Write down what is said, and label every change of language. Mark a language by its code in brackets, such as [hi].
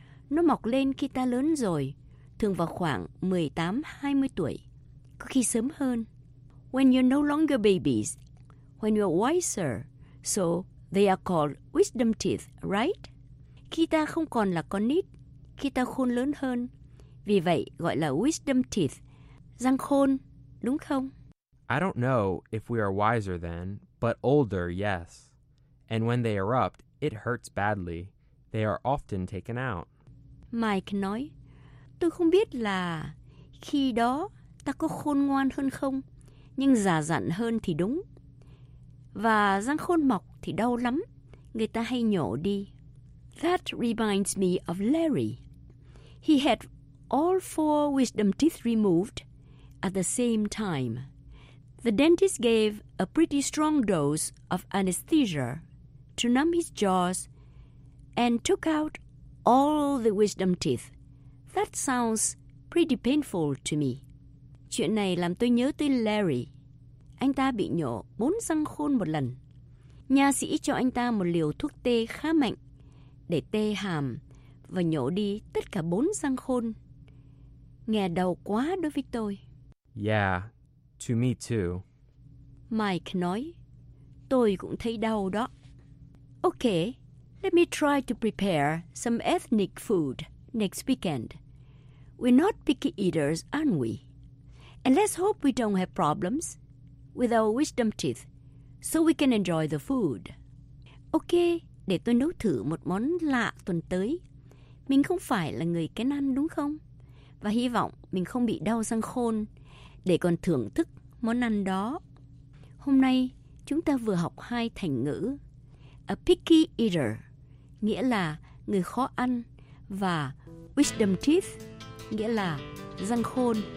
[vi] Nó mọc lên khi ta lớn rồi, thường vào khoảng 18-20 tuổi, có khi sớm hơn. [en] When you're no longer babies, when you're wiser, so they are called wisdom teeth, right? [vi] Khi ta không còn là con nít, khi ta khôn lớn hơn, vì vậy gọi là wisdom teeth, răng khôn, đúng không? [en] I don't know if we are wiser then, but older, yes. And when they erupt, it hurts badly. They are often taken out. [vi] Mike nói, tôi không biết là khi đó ta có khôn ngoan hơn không, nhưng già dặn hơn thì đúng. Và răng khôn mọc thì đau lắm, người ta hay nhổ đi. [en] That reminds me of Larry. He had all four wisdom teeth removed at the same time. The dentist gave a pretty strong dose of anesthesia to numb his jaws and took out all the wisdom teeth. That sounds pretty painful to me. [vi] Chuyện này làm tôi nhớ tới Larry. Anh ta bị nhổ 4 răng khôn một lần. Nha sĩ cho anh ta một liều thuốc tê khá mạnh để tê hàm và nhổ đi tất cả 4 răng khôn. Nghe đau quá đối với tôi. [en] Yeah, to me too. [vi] Mike nói, tôi cũng thấy đau đó. [en] Okay. Let me try to prepare some ethnic food next weekend. We're not picky eaters, aren't we? And let's hope we don't have problems with our wisdom teeth, so we can enjoy the food. [vi] Ok, để tôi nấu thử một món lạ tuần tới. Mình không phải là người kén ăn đúng không? Và hy vọng mình không bị đau răng khôn để còn thưởng thức món ăn đó. Hôm nay, chúng ta vừa học hai thành ngữ. A picky eater, nghĩa là người khó ăn, và wisdom teeth, nghĩa là răng khôn.